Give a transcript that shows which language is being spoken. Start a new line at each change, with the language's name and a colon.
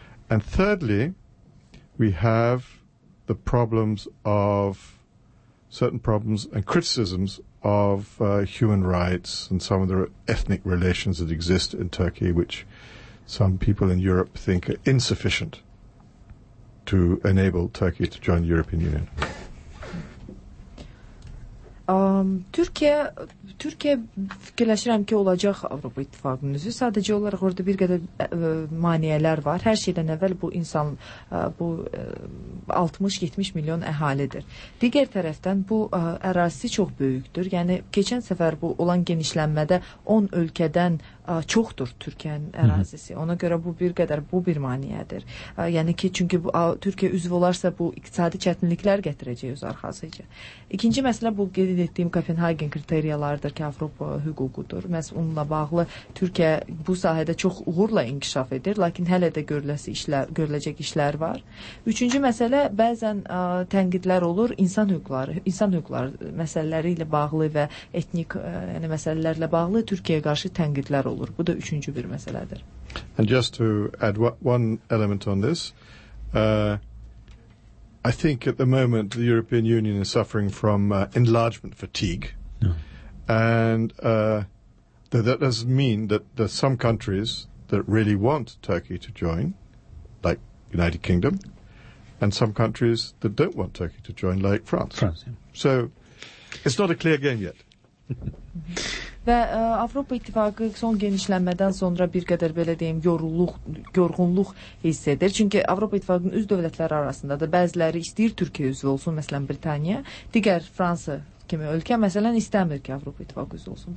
English: And thirdly, we have the problems of certain problems and criticisms of human rights and some of the ethnic relations that exist in Turkey, which some people in Europe think are insufficient to enable Turkey to join the European Union.
Azerbaijani: Türkiyə fikirləşirəm ki, olacaq Avropa İttifaqının üzvü. Sadəcə olaraq orada bir qədər maneələr var. Hər şeydən əvvəl bu insan, bu 60-70 milyon əhalidir. Digər tərəfdən bu ərazisi çox böyükdür. Yəni, keçən səfər bu olan genişlənmədə 10 ölkədən çoxdur Türkiyənin ərazisi. Ona görə bu bir qədər, bu bir maniyədir. Yəni ki, çünki bu, Türkiyə üzv olarsa bu iqtisadi çətinliklər gətirəcək öz arxasıca. İkinci məsələ bu qeyd etdiyim Kopenhagen kriteriyalardır ki, Avropa hüququdur. Məhz onunla bağlı Türkiyə bu sahədə çox uğurla inkişaf edir, lakin hələ də görüləcək işlər var. Üçüncü məsələ bəzən tənqidlər olur insan hüquqları məsələləri ilə bağlı və etnik yəni məsələlərlə bağlı Türkiyəyə qarşı tənqidlər olur. Bu da üçüncü bir məsələdir.
English: And just to add one element on this, I think at the moment the European Union is suffering from enlargement fatigue. And that doesn't mean that there's some countries that really want Turkey to join, like United Kingdom, and some countries that don't want Turkey to join, like France. Yeah. So it's not a clear game yet.
Azerbaijani: Və Avropa İttifaqı son genişlənmədən sonra bir qədər belə deyim yorğunluq hiss edir. Çünki Avropa İttifaqının üzv dövlətləri arasında da bəziləri istəyir Türkiyə üzv olsun, məsələn Britaniya, digər Fransa kimi ölkə məsələn istəmir ki, Avropa İttifaqı üzv olsun.